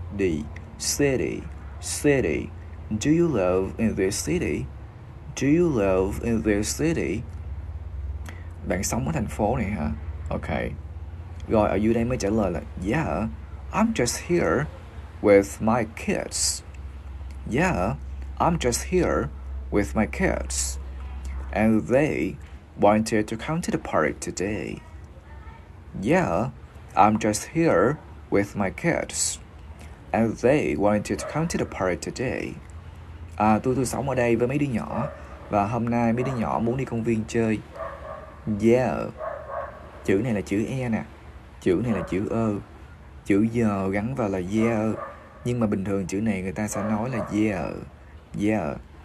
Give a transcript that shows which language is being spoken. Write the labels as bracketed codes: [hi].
[en] Đi. City. City. Do you live in this city? Do you live in this city? [vi] Bạn sống ở thành phố này hả? Okay. Rồi ở dưới đây mới trả lời là [en] Yeah, I'm just here with my kids. Yeah, I'm just here with my kids. And they wanted to come to the park today. Yeah, I'm just here with my kids. And they wanted to come to the park today. [vi] À, tôi sống ở đây với mấy đứa nhỏ và hôm nay mấy đứa nhỏ muốn đi công viên chơi. Yeah. Chữ này là chữ E nè. Chữ này là chữ Ơ. Chữ giờ gắn vào là yeah. Nhưng mà bình thường chữ này người ta sẽ nói là yeah. Yeah.